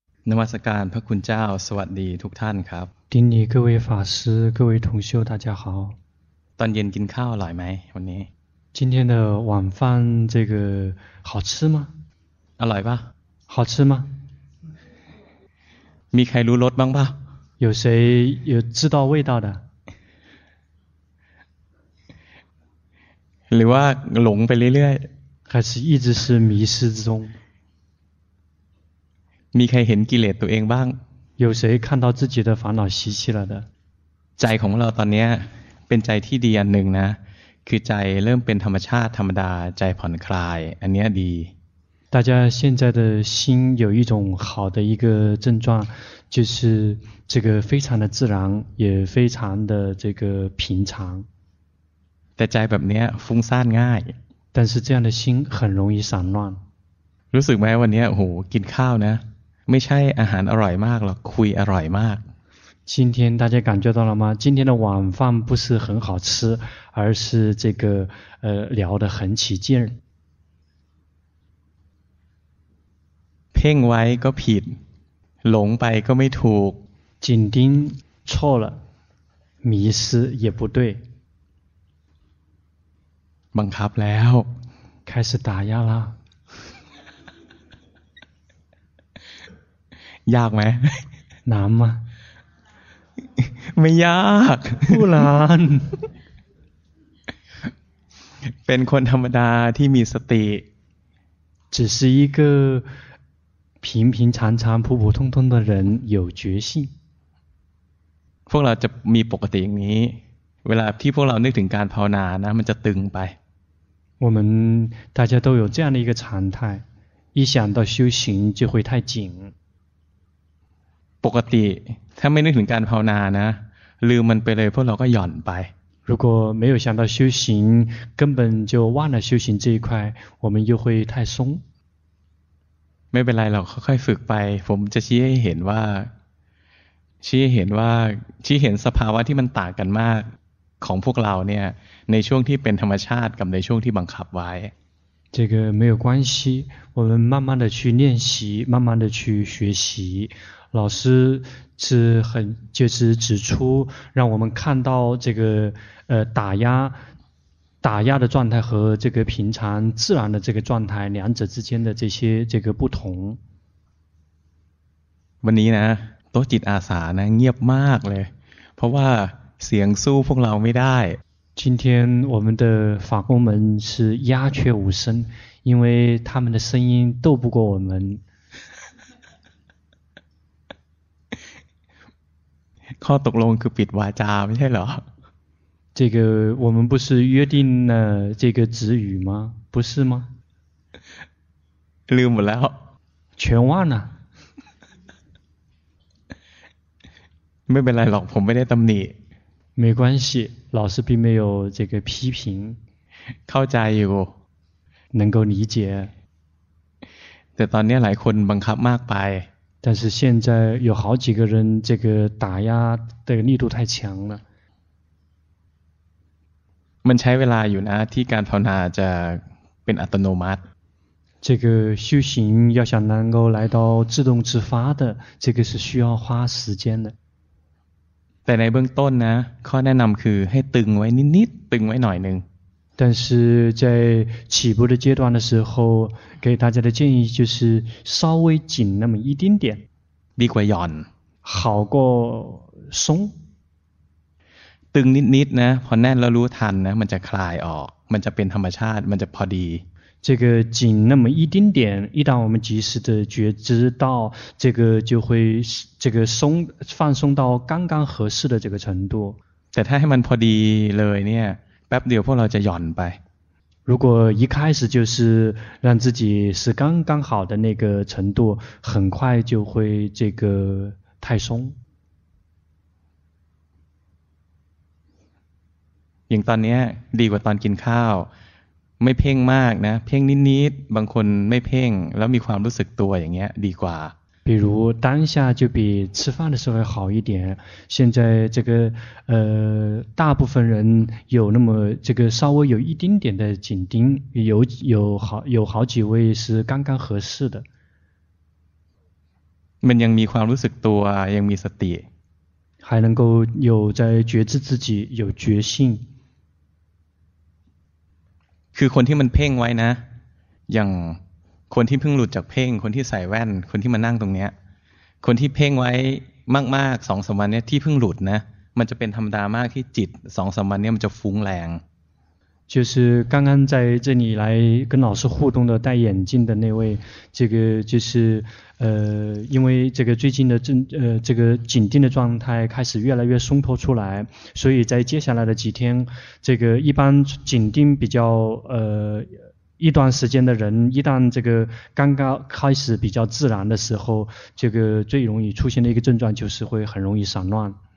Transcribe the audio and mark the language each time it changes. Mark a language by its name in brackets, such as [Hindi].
[Thai] นมัสการพระคุณเจ้าสวัสดีทุกท่านครับ ดินี [Chinese] 各位法师各位同修大家好 [Thai] ตอนเย็นกินข้าวอร่อยไหมวันนี้ [Chinese] 今天的晚饭这个好吃吗 [Thai] อร่อยป่ะ [Chinese] 好吃吗 [Thai] มีใครรู้รสบ้างป่ะ [Chinese] 有谁有知道味道的 [Thai] หรือว่าหลงไปเรื่อย [Chinese] ๆ还是一直是迷失之中 [Thai] มีใครเห็นกิเลสตัวเองบ้าง [Chinese] 有谁看到自己的烦恼习气了的 [Thai] ใจของเราตอนนี้เป็นใจที่ดีอันหนึ่งนะคือใจเริ่มเป็นธรรมชาติธรรมดาใจผ่อนคลายอันนี้ดี [Chinese] 大家现在的心有一种好的一个症状就是这个非常的自然也非常的这个平常 [Thai] แต่ใจแบบนี้ฟุ้งซ่านง่าย [Chinese] 但是这样的心很容易散乱 [Thai] รู้สึกไหมวันนี้โอ้โหกินข้าวนะไม่ใช่อาหารอร่อยมากหรอกคุยอร่อยมาก [Chinese] 今天大家感觉到了吗今天的晚饭不是很好吃而是这个聊得很起劲 [Thai] เพ่งไว้ก็ผิดหลงไปก็ไม่ถูก [Chinese] 紧盯错了迷失也不对 [Thai] บังคับแล้ว [Chinese] 开始打压了 [Thai] ยากไหม น้ำมา ไม่ยาก ผู้ลาน เป็นคนธรรมดาที่มีสติ [Chinese] 只是一个平平常常普普通通的人有觉性 [Thai] พวกเราจะมีปกติอย่างนี้เวลาที่พวกเรานึกถึงการภาวนานะมันจะตึงไป [Chinese] 我们大家都有这样的一个常态一想到修行就会太紧 [Thai] ปกติถ้าไม่นึกถึงการภาวนานะลืมมันไปเลยพวกเราก็หย่อนไป [Chinese] 如果没有想到修行根本就忘了修行这一块我们又会太松 [Thai] ไม่เป็นไรเราค่อยฝึกไปผมจะชี้ให้เห็นว่าชี้เห็นสภาวะที่มันต่างกันมากของพวกเราเนี่ยในช่วงที่เป็นธรรมชาติกับในช่วงที่บังคับไว้ [Chinese] 这个没有关系我们慢慢的去练习慢慢的去学习老师是很就是指出让我们看到这个打压的状态和这个平常自然的这个状态两者之间的这些这个不同 [Thai] วันนี้นะตัวจิตอาสานะเงียบมากเลยเพราะว่าเสียงสู้พวกเราไม่ได้ [Chinese] 今天我们的法工们是鸦雀无声因为他们的声音斗不过我们 [Thai] ข้อตกลงคือปิดวาจาไม่ใช่เหร [Chinese] อ这个我们不是约定了这个止语吗不是吗 [Thai] ลืมหมดแล้ว [Chinese] 全忘了 [Thai] ไม่เป็นไรหรอกผมไม่ได้ตำหนิ [Chinese] 没关系老师并没有这个批评 [Thai] เข้าใจอยู่ [Chinese] 能够理解 [Thai] แต่ตอนนี้หลายคนบังคับมากไป [Chinese] 但是现在有好几个人这个打压的力度太强了 [Thai] มันใช้เวลาอยู่นะที่การภาวนาจะเป็นอัตโนมัติ [Chinese] 这个修行要想能够来到自动自发的这个是需要花时间的 [Thai] แต่ในเบื้องต้นนะข้อแนะนำคือให้ตึงไว้นิดๆตึงไว้หน่อยนึง [Chinese] 但是在起步的阶段的时候给大家的建议就是稍微紧那么一丁点 [Thai] ดีกว่าหย่อน [Chinese] 好过松 [Thai] ตึงนิดๆนะพอแน่นแล้วรู้ทันนะมันจะคลายออกมันจะเป็นธรรมชาติมันจะพอดี [Chinese] 这个紧那么一丁点一旦我们及时的觉知到这个就会这个松放松到刚刚合适的这个程度 [Thai] แต่ถ้าให้มันพอดีเลยเนี่ยแป๊บเดียวพวกเราจะหย่อนไป [Chinese] 如果一开始就是让自己是刚刚好的那个程度很快就会这个太松 [Thai] อย่างตอนนี้ดีกว่าตอนกินข้าวไม่เพ่งมากนะเพ่งนิดๆบางคนไม่เพ่งแล้วมีความรู้สึกตัวอย่างเงี้ยดีกว่า [Chinese] 比如当下就比吃饭的时候好一点现在这个大部分人有那么这个稍微有一丁点的紧盯有好几位是刚刚合适的 [Thai] มันยังมีความรู้สึกตัวยังมีสติ [Chinese] 还能够有在觉知自己有觉性 [Thai] คือคนที่มันเพ่งไว้นะอย่างคนที่เพิ่งหลุดจากเพ่งคนที่ใส่แว่นคนที่มานั่งตรงเนี้ยคนที่เพ่งไว้มากมาก 2-3 วันเนี้ยที่เพิ่งหลุดนะมันจะเป็นธรรมดามากที่จิต 2-3 วันเนี้ยมันจะฟุ้งแรง [Chinese] 就是刚刚在这里来跟老师互动的戴眼镜的那位，这个就是因为这个最近的这个紧盯的状态开始越来越松脱出来，所以在接下来的几天，这个一般紧盯比较一段时间的人，一旦这个刚刚开始比较自然的时候，这个最容易出现的一个症状就是会很容易散乱。